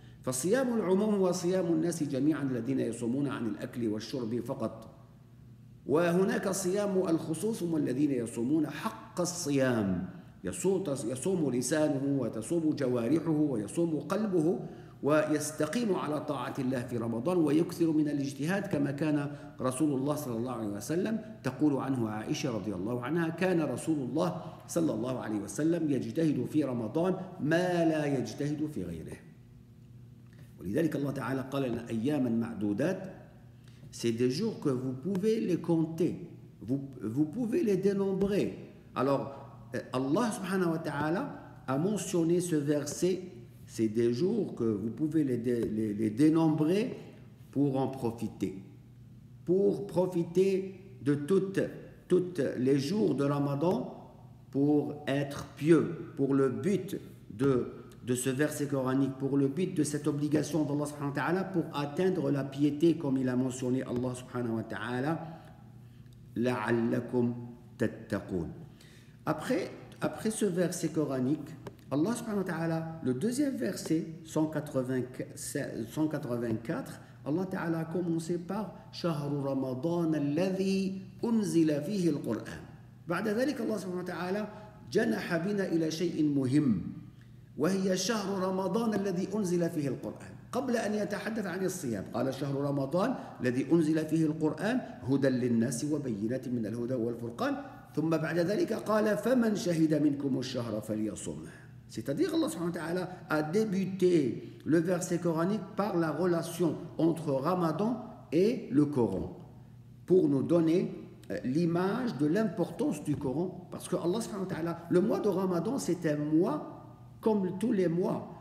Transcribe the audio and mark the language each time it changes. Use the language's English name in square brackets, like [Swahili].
[Arabic] فصيام العموم هو صيام الناس جميعا الذين يصومون عن الأكل والشرب فقط، وهناك صيام الخصوص هم الذين يصومون حق الصيام، يصوم لسانه وتصوم جوارحه ويصوم قلبه ويستقيم على طاعة الله في رمضان ويكثر من الاجتهاد، كما كان رسول الله صلى الله عليه وسلم تقول عنه عائشة رضي الله عنها: كان رسول الله صلى الله عليه وسلم يجتهد في رمضان ما لا يجتهد في غيره. ولذلك الله تعالى قال لنا أياما معدودات، [French] c'est des jours que vous pouvez les compter, vous pouvez les dénombrer. Alors Allah سبحانه وتعالى a mentionné ce verset: c'est des jours que vous pouvez les dénombrer pour en profiter. Pour profiter de toutes les jours de Ramadan pour être pieux, pour le but de ce verset coranique, pour le but de cette obligation d'Allah subhanahu wa ta'ala, pour atteindre la piété, comme il a mentionné Allah subhanahu wa ta'ala, [Arabic] la'allakum tattaqoun. [French] Après ce verset coranique, Allah subhanahu wa ta'ala, le deuxième verset, 184, Allah ta'ala a commencé par [Arabic] شهر رمضان الذي أنزل فيه القرآن. بعد ذلك Allah subhanahu wa ta'ala جنح بنا إلى شيء مهم، وهي شهر رمضان الذي أنزل فيه القرآن. قبل أن يتحدث عن الصيام قال: شهر رمضان الذي أنزل فيه القرآن هدى للناس وبينات من الهدى والفرقان. ثم بعد ذلك قال: فمن شهد منكم الشهر فليصومه. [French] C'est-à-dire Allah subhanahu wa ta'ala a débuté le verset coranique par la relation entre Ramadan et le Coran, pour nous donner l'image de l'importance du Coran. Parce que Allah subhanahu wa ta'ala, le mois de Ramadan, c'est un mois comme tous les mois.